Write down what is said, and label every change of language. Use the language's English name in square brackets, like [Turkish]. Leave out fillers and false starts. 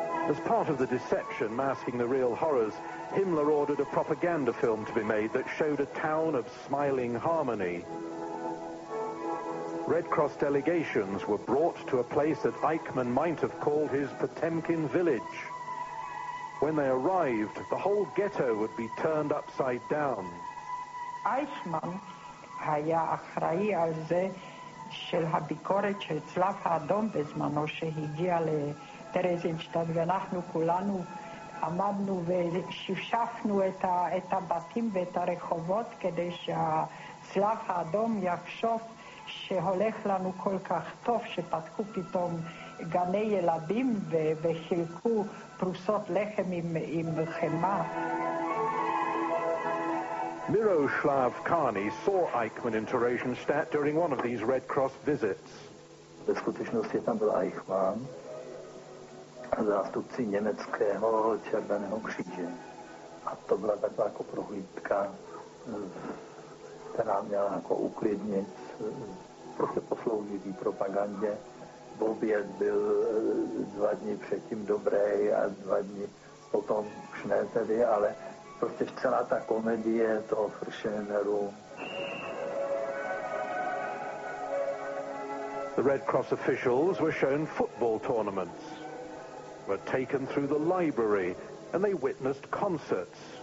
[English] As part of the deception masking the real horrors, Himmler ordered a propaganda film to be made that showed a town of smiling harmony. Red Cross delegations were brought to a place that Eichmann might have called his Potemkin village. When they arrived, the whole ghetto would be turned upside down. [Hebrew] Eichmann היה אחראי על זה של הביקורת של צלב האדום בזמנו שהגיע לטרזינשטאט ואנחנו כולנו עמדנו ושפשפנו את הבתים ואת הרחובות כדי שהצלב האדום יחשוב שהולך לנו כל כך טוב שפתקו פתאום גני ילדים וחילקו פרוסות לחם עם חמאה. [English] Miroslav Karni saw Eichmann in Theresienstadt during one of these Red Cross visits. [Czech] Ve skutečnosti tam byl Eichmann, zástupci německého Červeného kříže. A to byla taková jako prohlídka, která měla jako uklidnit, prostě posloužit propagandě. V oběd byl dva dny předtím dobrý a dva dny potom už ne tedy, ale prostě celá ta komedie toho Fršeneru. [English] The Red Cross officials were shown football tournaments, were taken through the library, and they witnessed concerts.